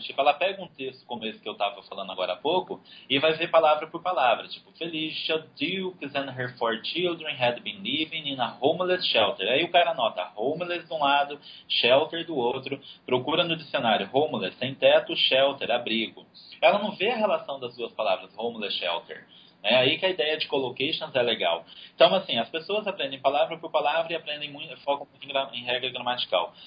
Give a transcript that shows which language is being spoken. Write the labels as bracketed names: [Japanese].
[Portuguese] Tipo, ela pega um texto como esse que eu estava falando agora há pouco e vai ver palavra por palavra. Tipo, [English] Felicia Dukes and her four children had been living in a homeless shelter. [Portuguese] Aí o cara anota homeless de um lado, shelter do outro, procura no dicionário homeless, sem teto, shelter, abrigo. Ela não vê a relação das duas palavras, homeless, shelter. É aí que a ideia de collocations é legal. Então, assim, as pessoas aprendem palavra por palavra e aprendem muito, focam muito em regra gramatical.